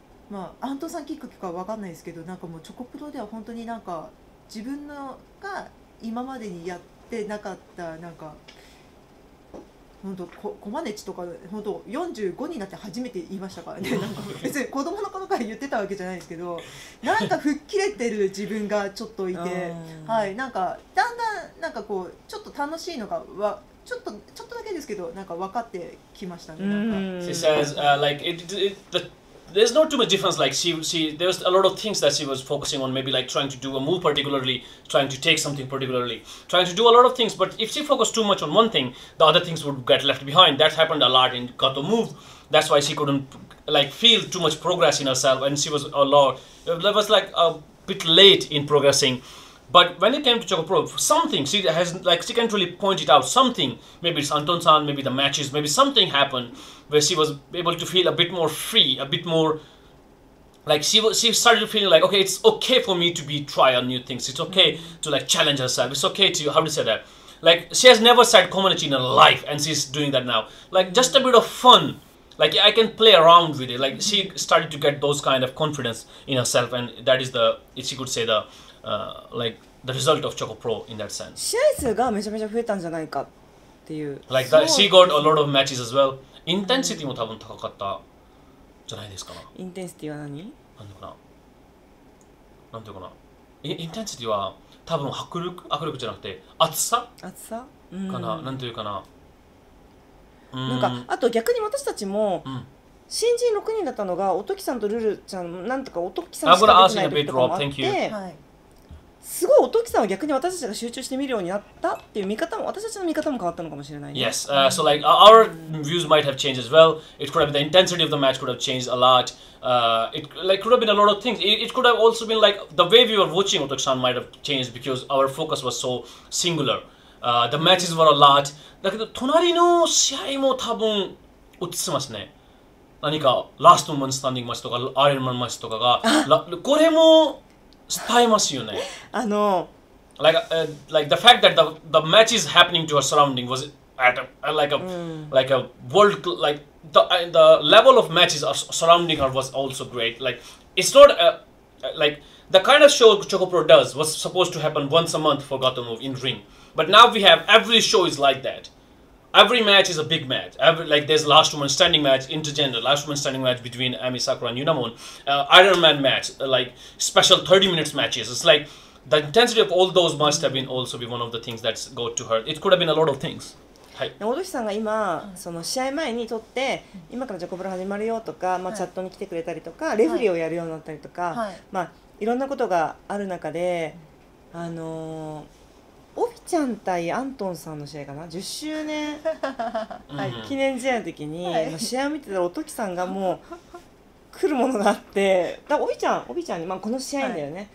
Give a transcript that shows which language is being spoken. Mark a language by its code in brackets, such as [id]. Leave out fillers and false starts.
[ja] まあアントさんきっかけか分かんないですけどなんかもうチョコプロでは本当になんか自分のが今までにやってなかったなんか本当コマネチとか本当45になって初めて言いましたからねなんか別に子供の頃から言ってたわけじゃないですけどなんか吹っ切れてる自分がちょっといてはいなんかだんだんなんかこうちょっと楽しいのがわちょっとだけですけどなんか分かってきましたねなんか [en] She says like there's not too much difference like she there's a lot of things that she was focusing on maybe like trying to do a move particularly trying to take something particularly trying to do a lot of things but if she focused too much on one thing the other things would get left behind that happened a lot in Gato move that's why she couldn't like feel too much progress in herself and she was a lot that was like a bit late in progressing but when it came to Choco Pro something she has like she can't really point it out something maybe it's Anton-san maybe the matches maybe something happened where she was able to feel a bit more free, a bit more, like she started feeling like, okay, it's okay for me to be try on new things. It's okay to like challenge herself. It's okay to, how do you say that? Like she has never said Komonichi in her life and she's doing that now. Like just a bit of fun. Like I can play around with it. Like she started to get those kind of confidence in herself and that is the, if she could say the, like the result of Choco Pro in that sense. [ja] 試合数がめちゃめちゃ増えたんじゃないかっていう。 [en] Like that, she got a lot of matches as well. [ja] インテンシティも多分高かったじゃないですか。インテンシティは何？何て言うかな。何て言うかな。インテンシティは多分迫力じゃなくて厚さ？厚さ？かな。何て言うかな。なんかあと逆に私たちも、うん、新人6人だったのがおときさんとルルちゃんなんとかおときさんしか出てないところもあって、すごいおときさんは逆に私たちが集中して見るようになったっていう見方も、私たちの見方も変わったのかもしれない、ね。 [en] Yes,、so like our views might have changed as well. It could have been the intensity of the match could have changed a lot.、it like could have been a lot of things. It could have also been like the way we were watching Otoki-san might have changed because our focus was so singular.、the matches were a lot. [ja] だけど隣の試合も多分落ちてますね。何かラストマンスタンディングマッチとかアイアンマンマッチとかがこれも伝えますよね。あの、 [en] like, like the fact that the match is happening to her surrounding was at a, like a、うん、like a world like the level of matches surrounding her was also great. Like it's not a, like the kind of show Choco Pro does was supposed to happen once a month for Gato Move in ring. But now we have every show is like that. Every match is a big match. Every, like there's last woman standing match, intergender, last woman standing match between Ami Sakura and Yunamon,、Iron Man match, like special 30 minutes matches. It's like the intensity of all those must have been also be one of the things that's go to her. It could have been a lot of things. [ja] はい。オドキさんが今その試合前に撮って、今からジョコプロ始まるよとか、まあチャットに来てくれたりとか、レフリーをやるようになったりとか、まあいろんなことがある中で、あのー。オフィちゃん対アントンさんの試合かな10周年記念試合の時に、はい、試合を見てたらおときさんがもう来るものがあってだからオフィちゃんに、まあ、この試合だよね、